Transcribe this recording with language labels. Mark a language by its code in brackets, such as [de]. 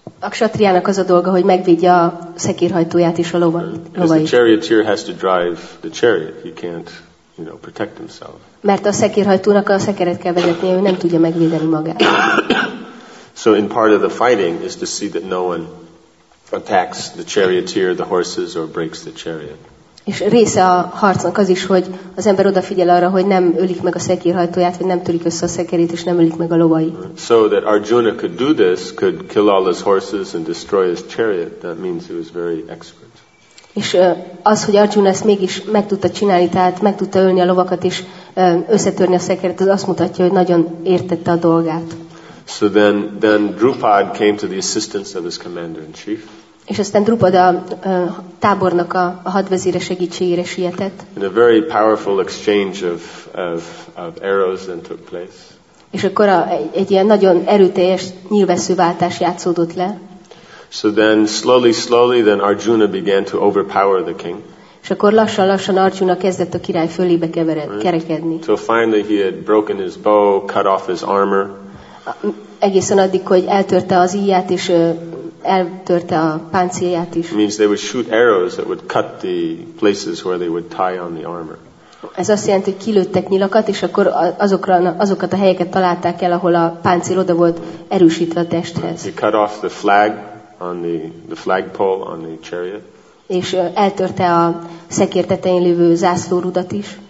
[hu] A kshatriának az a dolga, hogy megvédje a szekérhajtóját és a lovait. [en] The charioteer has to drive the chariot. He can't, you know, protect himself. [hu] Mert a szekérhajtónak a szekeret kell vezetnie, ő nem tudja megvédeni magát. [en] So in part of the fighting is to see that no one attacks the charioteer, the horses, or breaks the chariot. [hu] És része a harcnak az is, hogy az ember odafigyel arra, hogy nem ölik meg a szekérhajtóját, vagy nem törik össze a szekerét, és nem ölik meg a lovait. [en] So that Arjuna could do this, could kill all his horses and destroy his chariot, that means he was very expert. [hu] És az, hogy Arjuna ezt mégis meg tudta csinálni, tehát meg tudta ölni a lovakat és összetörni a szekeret, az azt mutatja, hogy nagyon értette a dolgát. [en] So then Drupad came to the assistance of his commander-in-chief. [hu] És aztán Drupad a tábornak a hadvezére segítségére sietett. [en] And a very powerful exchange of arrows then took place. [hu] És akkor egy ilyen nagyon erőteljes nyilvesszőváltás játszódott le. [en] So then slowly then Arjuna began to overpower the king. [hu] És akkor lassan-lassan Arjuna kezdett a király fölébe kerekedni. [en] So finally he had broken his bow, cut off his armor. [hu] Egészen addig, hogy eltörte az íját és eltörte a páncélját is. [en] Means they would shoot arrows that would cut the places where they would tie on the armor. [hu] Ez azt jelenti, hogy kilőttek nyilakat, és akkor azokat a helyeket találták el, ahol a páncél oda volt erősítve a testhez. [en] He cut off the flag on the flagpole on the chariot. [hu] És eltörte a szekér tetején lévő zászlórudat is.